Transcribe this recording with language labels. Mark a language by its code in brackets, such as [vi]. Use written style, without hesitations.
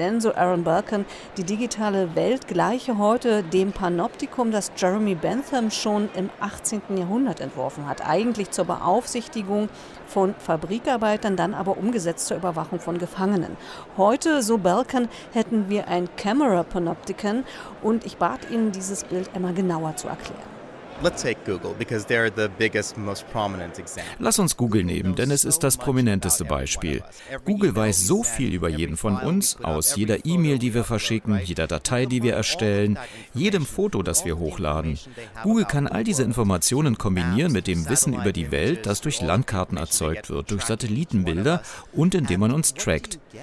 [de] Denn, so Errol Balkan, die digitale Welt gleiche heute dem Panoptikum, das Jeremy Bentham schon im 18. Jahrhundert entworfen hat. Eigentlich zur Beaufsichtigung von Fabrikarbeitern, dann aber umgesetzt zur Überwachung von Gefangenen. Heute, so Balkan, hätten wir ein Camera Panopticon und ich bat ihn, dieses Bild einmal genauer zu erklären. [en] Let's take Google because they're the biggest, most prominent example. [de] Lass uns Google nehmen, denn es ist das prominenteste Beispiel. Google weiß so viel über jeden von uns, aus jeder E-Mail, die wir verschicken, jeder Datei, die wir erstellen, jedem Foto, das wir hochladen. Google kann all diese Informationen kombinieren mit dem Wissen über die Welt, das durch Landkarten erzeugt wird, durch Satellitenbilder und indem man uns trackt.